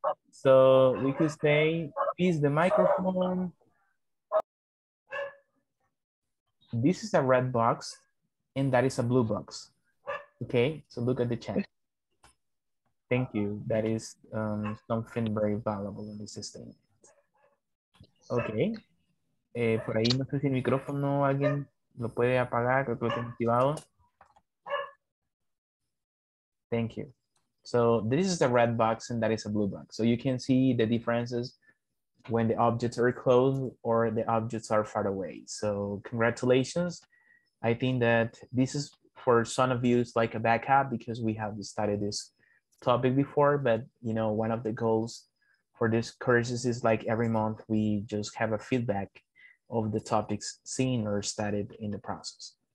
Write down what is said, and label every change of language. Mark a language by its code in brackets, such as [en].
[en] So we could say, is the microphone, this is a red box and that is a blue box. Okay, so look at the chat. Thank you. That is something very valuable in the system. Okay. [es] Por ahí no sé si el micrófono alguien lo puede apagar, creo que lo tengo activado. [en] Thank you. So this is a red box and that is a blue box. So you can see the differences when the objects are closed or the objects are far away. So congratulations. I think that this is for some of you, it's like a backup because we have studied this topic before, but you know, one of the goals for this course is like every month we just have a feedback of the topics seen or studied in the process.